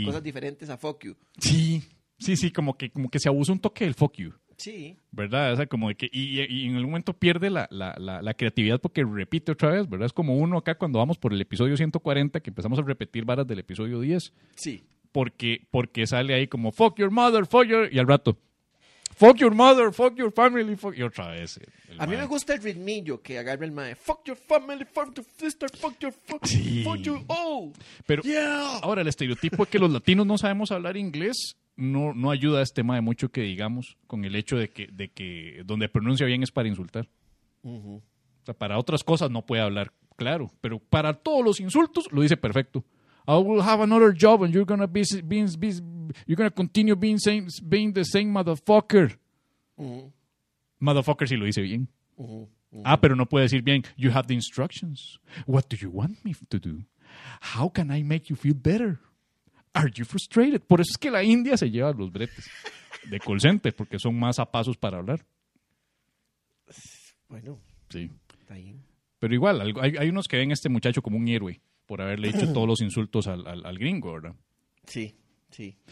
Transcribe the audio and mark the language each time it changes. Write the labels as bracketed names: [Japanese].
[Spanish] De cosas diferentes a [English] fuck you. [Spanish] Sí, como que se abusa un toque del [English] fuck you. [Spanish] Sí. ¿Verdad? O sea, como de que y en algún momento pierde la creatividad porque repite otra vez, ¿verdad? Es como uno acá cuando vamos por el episodio 140 que empezamos a repetir varas del episodio 10. Sí. Porque sale ahí como [English] fuck your mother, fuck your... [Spanish] Y al rato [English] fuck your mother, fuck your family, fuck... [Spanish] Y otra vez. A mí me gusta el ritmillo que agarra el mae. [English] Fuck your family, fuck your sister, fuck your... Fuck you all. [Spanish] Pero yeah. Ahora el estereotipo es que los latinos no sabemos hablar inglés. no ayuda a este mae mucho que digamos con el hecho de que donde pronuncia bien es para insultar. Uh-huh. O sea, para otras cosas no puede hablar claro, pero para todos los insultos lo dice perfecto. [English] I will have another job and you're gonna you're gonna continue being the same motherfucker. Uh-huh. [Spanish] Motherfucker sí lo dice bien. Uh-huh. Uh-huh. Ah, pero no puede decir bien. [English] You have the instructions. What do you want me to do? How can I make you feel better? Are you frustrated? [Spanish] Por eso es que la India se lleva los bretes de call center, porque son más a pasos para hablar. Bueno. Sí. Está bien. Pero igual, hay unos que ven a este muchacho como un héroe por haberle hecho todos los insultos al gringo, ¿verdad? Sí, sí.